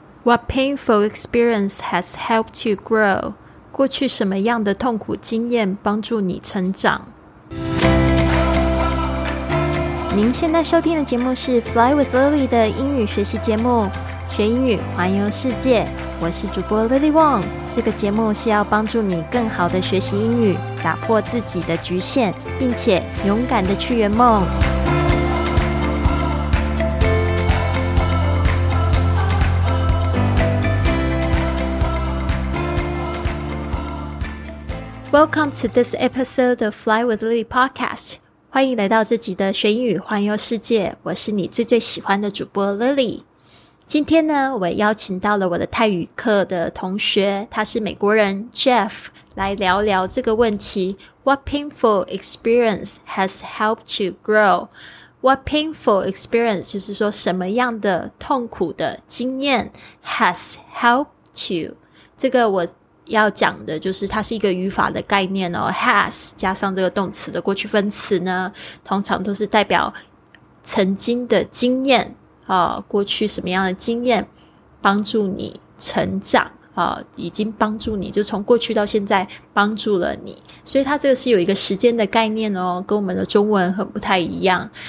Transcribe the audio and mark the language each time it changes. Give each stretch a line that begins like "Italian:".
English: What painful experience has helped you grow?
Chinese: 过去什么样的痛苦经验帮助你成长？您现在收听的节目是 Fly with Lily 的英语学习节目，学英语环游世界。我是主播 Lily Wong。这个节目是要帮助你更好的学习英语，打破自己的局限，并且勇敢的去圆梦。
English: Welcome to this episode of Fly with Lily podcast.
Chinese: 欢迎来到这集的学英语环游世界，我是你最最喜欢的主播 Lily。今天呢，我邀请到了我的泰语课的同学，他是美国人 Jeff， 来聊聊这个问题。
English: What painful experience has helped you grow? What painful experience
Chinese: 就是说什么样的痛苦的经验
English: has helped you。
Chinese: 这个我要讲的就是它是一个语法的概念哦， has 加上这个动词的过去分词呢，通常都是代表曾经的经验、过去什么样的经验帮助你成长、已经帮助你，就从过去到现在帮助了你，所以它这个是有一个时间的概念哦，跟我们的中文很不太一样。